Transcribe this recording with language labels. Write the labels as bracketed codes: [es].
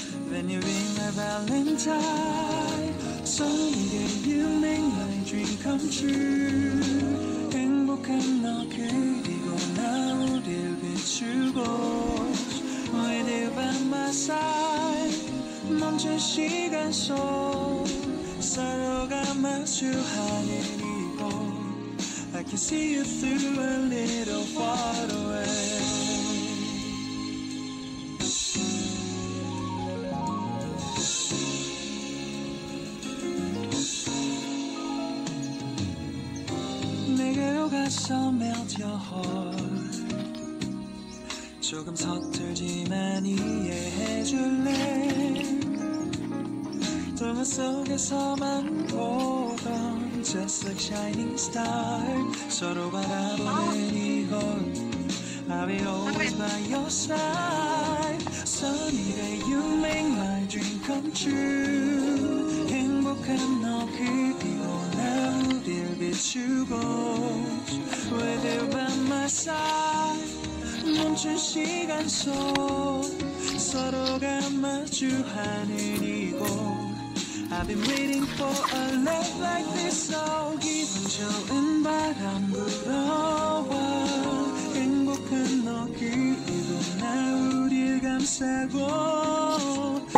[en] When you ring my valentine, someday you'll make my dream come true. [ko] 행복한 너 그리고 나 우릴 비추고. [en] With you by my side, [ko] 멈춘 시간 속 서로가 마주하는 이곳. [en] I can see you through a little far away. [ko] 가서 [en] melt your heart. [ko] 조금 서툴지만 이해해줄래. 동화 속에서만 보던 [en] just like shining star. [ko] 서로 바라보는 이곳, [en] I'll be always by your side. Sunny day you make my dream come true. [ko] 행복한 너 그리고 나 우릴 비추고. [en] With you by my side, [ko] 멈춘 시간 속 서로가 마주하는 이곳. [en] I've been waiting for a love like this. So [ko] 기분 좋은 바람 불어와. 행복한 너 그리고 나 우릴 감싸고.